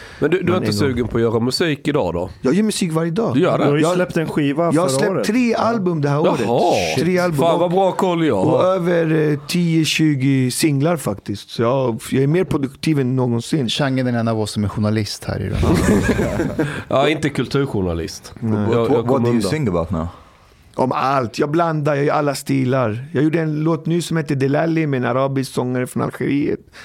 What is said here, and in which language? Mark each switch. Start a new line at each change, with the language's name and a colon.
Swedish: men du är inte sugen på att göra musik idag då? Jag gör musik varje dag. Du gör det. Jag har släppt en skiva förra året. Jag släppte tre album det här året. Jaha, tre album. Fan vad bra koll jag har. Och över 10-20 singlar faktiskt. Så jag är mer produktiv än någonsin. Chang är den enda av oss som är journalist här idag. Ja, inte kulturjournalist.
English: What do you sing about now?
Swedish: Om allt. Jag blandar, jag gör alla stilar. Jag gjorde en låt nu som heter Delali med en arabisk sångare från Algeriet.